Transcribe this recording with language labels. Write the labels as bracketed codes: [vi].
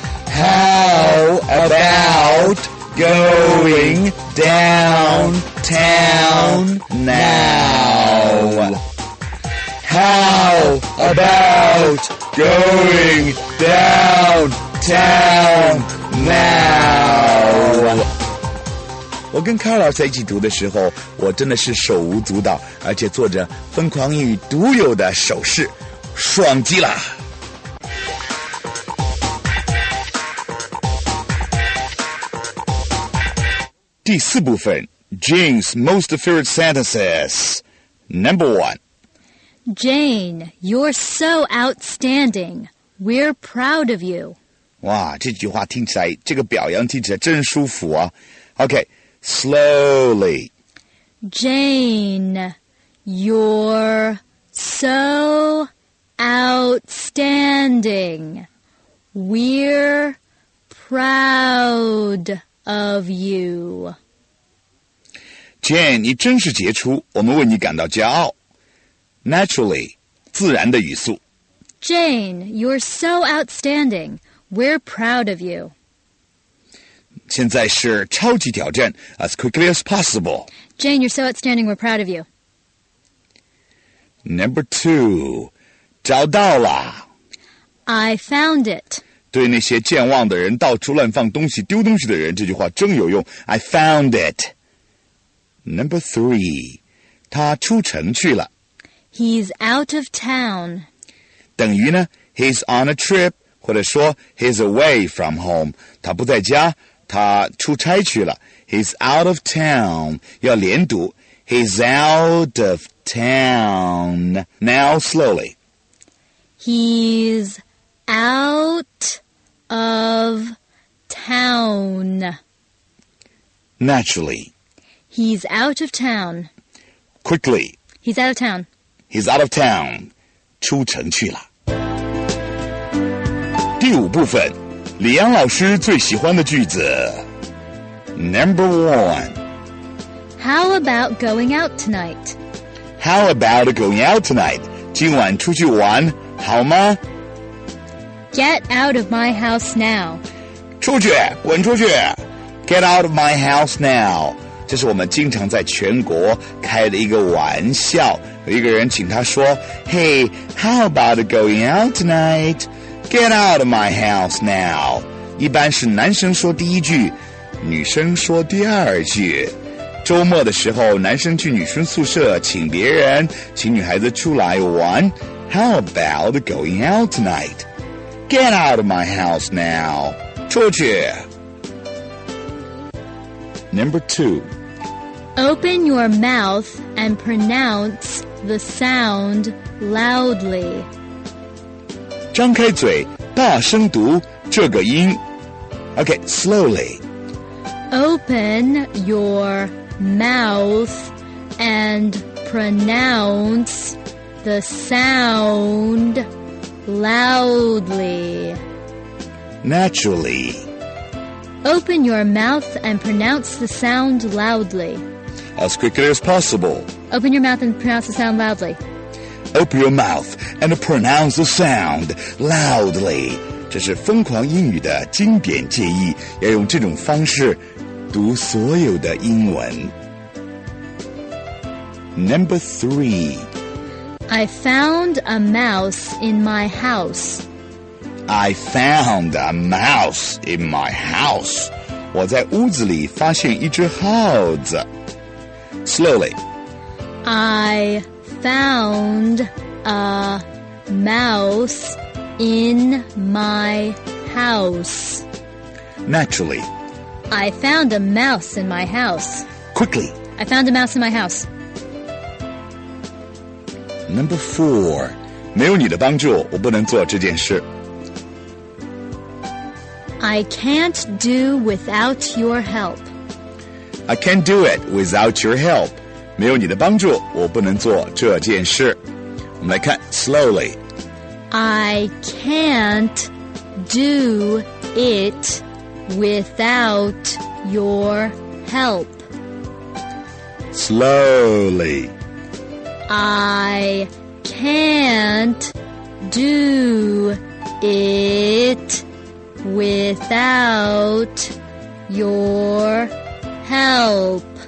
[en] How about going downtown now? How about going downtown now? [zh] 我跟卡尔老师在一起读的时候，我真的是手舞足蹈，而且做着疯狂英语独有的手势，爽极了。第四部分 [en] Jane's most favorite sentences. Number one. Jane, you're so outstanding. We're proud of you. [zh] 哇，这句话听起来，这个表扬听起来真舒服啊。 [en] Okay, slowly. Jane, you're so outstanding. We're proud of you. [zh] Jane, 你真是杰出，我们为你感到骄傲。 [en] Naturally, [zh] 自然的语速。 [en] Jane, you're so outstanding. We're proud of you. [zh] 现在是超级挑战 [en] as quickly as possible. Jane, you're so outstanding. We're proud of you. Number two, [zh] 找到了。 [en] I found it. [zh] 对那些健忘的人、到处乱放东西、丢东西的人，这句话真有用。 [en] I found it. Number three, [zh] 他出城去了。 [en] He's out of town. [zh] 等于呢 [en] he's on a trip, [zh] 或者说 [en] he's away from home. [zh] 他不在家，他出差去了。 [en] He's out of town. [zh] 要连读。 [en] He's out of town. Now slowly. He's out of town. Naturally. He's out of town. Quickly. He's out of town. He's out of town. [zh] 出城去了。第五部分，李阳老师最喜欢的句子。 [en] Number one. How about going out tonight? How about going out tonight? [zh] 今晚出去玩好吗？ [en] Get out of my house now. [zh] 出去，滚出去。 [en] Get out of my house now. [zh] 这是我们经常在全国开的一个玩笑。有一个人请他说 [en] Hey, how about going out tonight? Get out of my house now. [zh] 一般是男生说第一句，女生说第二句。周末的时候，男生去女生宿舍请别人，请女孩子出来玩。 [en] How about going out tonight? Get out of my house now. [zh] 出去。 [en] Number two. Open your mouth and pronounceThe sound loudly. [zh] 张开嘴，大声读这个音。 [en] Okay, slowly. Open your mouth and pronounce the sound loudly. Naturally. Open your mouth and pronounce the sound loudly. As quickly as possible. Open your mouth and pronounce the sound loudly. Open your mouth and pronounce the sound loudly. [zh] 这是疯狂英语的经典建议，要用这种方式读所有的英文。 [en] Number three. I found a mouse in my house. I found a mouse in my house. [zh] 我在屋子里发现一只耗子。 [en] Slowly. I found a mouse in my house. Naturally. I found a mouse in my house. Quickly. I found a mouse in my house. Number four. [zh] 没有你的帮助，我不能做这件事。 [en] I can't do without your help. I can't do it without your help. [zh] 没有你的帮助，我不能做这件事。我们来看 [en] slowly. I can't do it without your help. Slowly. I can't do it without your help.